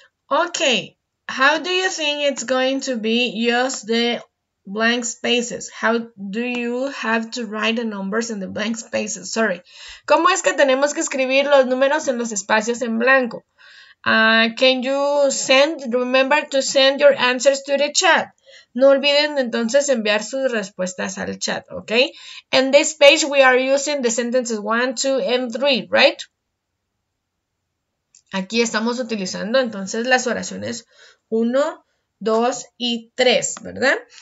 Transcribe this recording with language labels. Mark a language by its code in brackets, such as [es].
[en] Okay, how do you think it's going to be use the blank spaces? How do you have to write the numbers in the blank spaces? Sorry. [es] ¿Cómo es que tenemos que escribir los números en los espacios en blanco? [en] Can you send, remember to send your answers to the chat. [es] No olviden entonces enviar sus respuestas al chat, okay? [en] In this page we are using the sentences 1, 2, and 3, right? [es] Aquí estamos utilizando entonces las oraciones 1, 2 y 3, ¿verdad?